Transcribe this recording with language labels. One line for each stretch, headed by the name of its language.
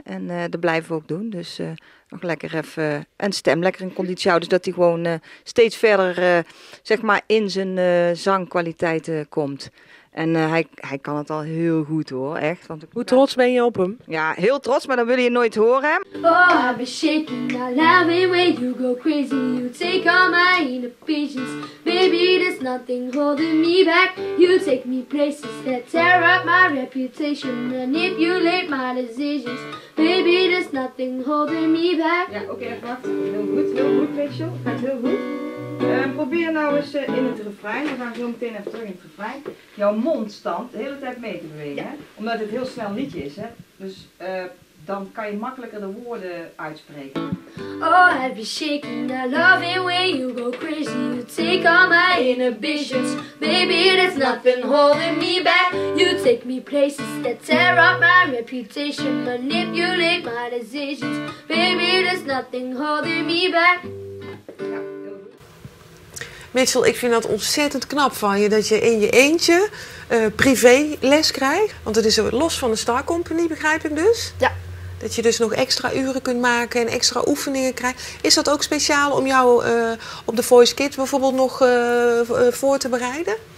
Dutch: En dat blijven we ook doen. Dus nog lekker even een stem, lekker in conditie houden. Dus dat hij gewoon steeds verder zeg maar in zijn zangkwaliteiten komt. En hij kan het al heel goed hoor, echt. Want hoe trots ben je op hem? Ja, heel trots, maar dan wil je nooit horen.
English: Oh, I'll be shaking, I love it when you go crazy. You take all my inhibitions. Baby, there's nothing holding me back. You take me places that tear up my reputation. Manipulate my decisions. Baby, there's nothing holding me back.
Dutch: Ja, oké, dat gaat heel goed, Rachel. Gaat heel goed. Probeer nou eens in het refrein, we gaan zo meteen even terug in het refrein, jouw mondstand de hele tijd mee te bewegen. Ja. Hè? Omdat het heel snel een liedje is, hè? Dus dan kan je makkelijker de woorden uitspreken.
English: Oh, I'll be shaking, I love it when you go crazy. You take all my inhibitions. Baby, there's nothing holding me back. You take me places that tear up my reputation. Manipulate my decisions. Baby, there's nothing holding me back.
Dutch: Mitchell, ik vind dat ontzettend knap van je, dat je in je eentje privé les krijgt. Want het is los van de Star Company, begrijp ik dus. Ja. Dat je dus nog extra uren kunt maken en extra oefeningen krijgt. Is dat ook speciaal om jou op de Voice Kids bijvoorbeeld nog voor te bereiden?